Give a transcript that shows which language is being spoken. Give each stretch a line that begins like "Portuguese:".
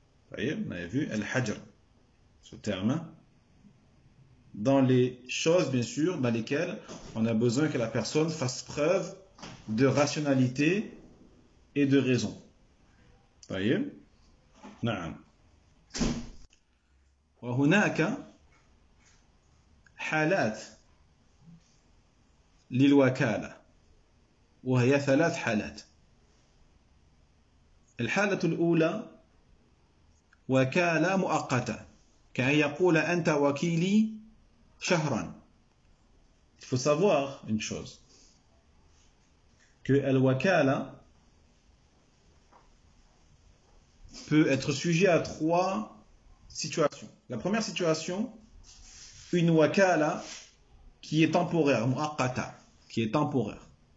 French: Vous voyez, on avait vu al-hajr, ce terme. Dans les choses, bien sûr, dans lesquelles on a besoin que la personne fasse preuve de rationalité et de raison. Vous voyez? Non.
Arabic: وهناك حالات للوكالة وهي ثلاث حالات الحالة الأولى وكالة مؤقتة كأن يقول أنت وكيلي شهرا
French: il faut savoir une chose que الوكالة peut être sujet à trois situations. La première situation, une wakala qui est temporaire, muaqqata, qui est temporaire.